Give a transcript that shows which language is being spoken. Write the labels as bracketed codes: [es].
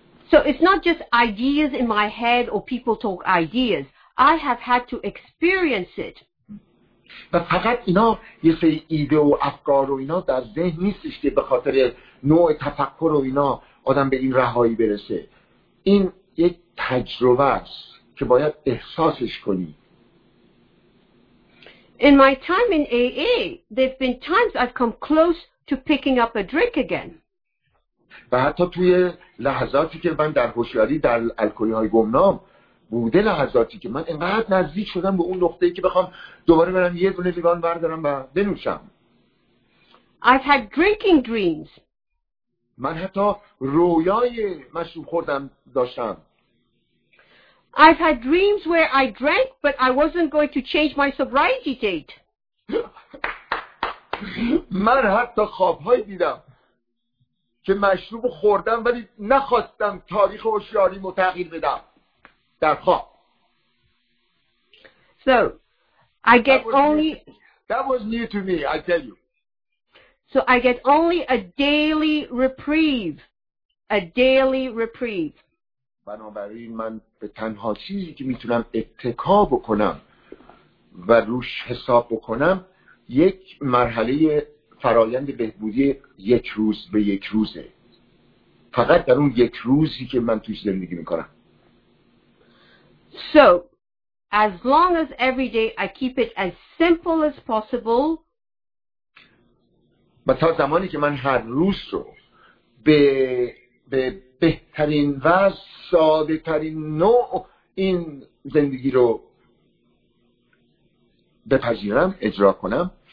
[en] So it's not just ideas in my head or people talk ideas. I have had to experience it. [fa] و فقط اینا یه سری ایده و افکار و اینا در ذهن نیستش که به خاطر نوع تفکر و اینا آدم به این رهایی برسه. این یک تجربه است که باید احساسش کنی. [en] In my time in AA, there have been times I've come close to picking up a drink again. [fa] و حتی توی لحظاتی که من در هوشیاری در الکلی‌های گمنام بوده لحظاتی که من اینقدر نزدیک شدم به اون نقطه‌ای که بخوام دوباره برم یه دونه لیوان بردارم و بنوشم. [en] I've had drinking dreams. [fa] من حتی رویای مشروب خوردن داشتم. [en] I've had dreams where I drank, but I wasn't going to change my sobriety date. [fa] من حتی خوابهایی دیدم که مشروب خوردم ولی نخواستم تاریخ هوشیاری متغییر بدم در خواب. [en] So, I get only... That was new to me, I tell you. So, I get only a daily reprieve. A daily reprieve. [fa] بنابراین من به تنها چیزی که میتونم اتکا بکنم و روش حساب بکنم یک مرحله فرایند بهبودی یک روز به یک روزه. فقط در اون یک روزی که من توش زندگی میکنم. [en] So, as long as every day I keep it as simple as possible. [fa] و تا زمانی که من هر روز رو به بهترین و ساده ترین نوع این زندگی رو بپذیرم اجرا کنم.